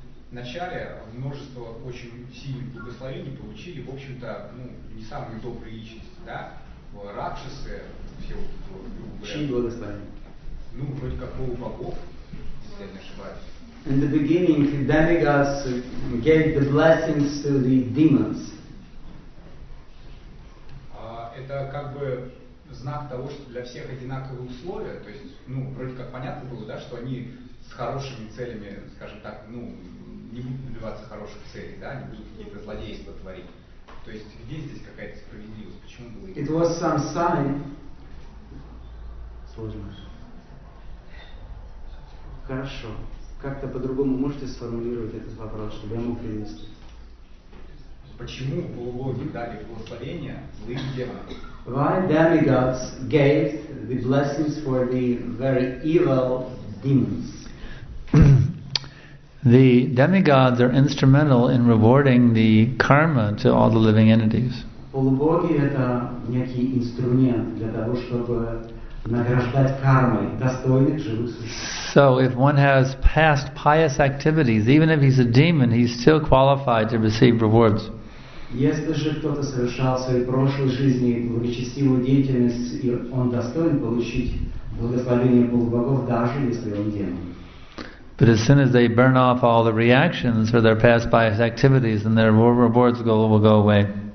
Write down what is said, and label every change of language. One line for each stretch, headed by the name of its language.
Russian: Вначале множество очень сильных благословений получили, в общем-то, ну, не самые добрые личности, да? Ракшасы, все вот эти вот, грубо говоря. Чьи благословения? Ну, вроде как полубогов, если я не ошибаюсь.
English: In the beginning, the demigods gave the blessings to the demons.
Russian: Это как бы знак того, что для всех одинаковые условия, то есть, ну, вроде как понятно было, да, что они с хорошими целями, скажем так, ну, не будут добиваться хороших целей, да, не будут какие-то злодейства творить. То есть где здесь какая-то справедливость? Почему было?
English: It was some sign.
Russian: Сложно. Хорошо. Как-то по-другому можете сформулировать этот вопрос, чтобы я мог принести? Почему полубоги дали благословение злым демонам?
English: Why demigods gave the blessings for the very evil demons? The demigods are instrumental in rewarding the karma to all the living entities.
Russian: Полубоги — это некий инструмент для того, чтобы награждать кармой достойных живых существ.
English: So if one has past pious activities, even if he's a demon, he's still qualified to receive rewards.
Russian: Если же кто-то совершал в своей прошлой жизни благочестивую деятельность, и он достоин получить благословение полубогов, даже если он демон.
English: But as soon as they burn off all the reactions for their past pious activities, then their rewards will go away.